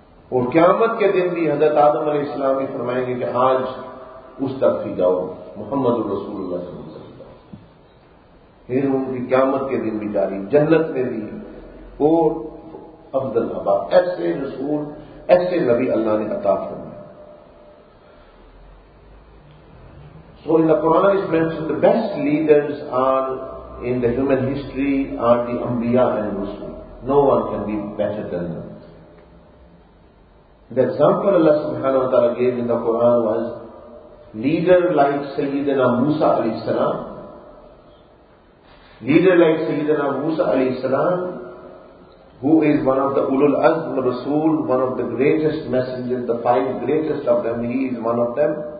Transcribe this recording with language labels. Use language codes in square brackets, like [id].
[ur] اور قیامت کے دن بھی حضرت آدم علیہ السلام بھی فرمائیں گے کہ آج اس طرف ہی جاؤ, محمد الرسول اللہ صلی اللہ علیہ وسلم. ان کی قیامت کے دن بھی جاری, جنت میں بھی, اور افضل ابا, ایسے رسول, ایسے نبی اللہ نے عطا فرمایا. [en] So in the Quran is mentioned the best leaders are in the human history are the anbiya and rasul. No one can be better than them. The example Allah subhanahu wa ta'ala gave in the Quran was leader like Sayyidina Musa alayhi salam. Leader like Sayyidina Musa alayhi salam, who is one of the Ulul Azm Rasul, one of the greatest messengers, the five greatest of them, he is one of them.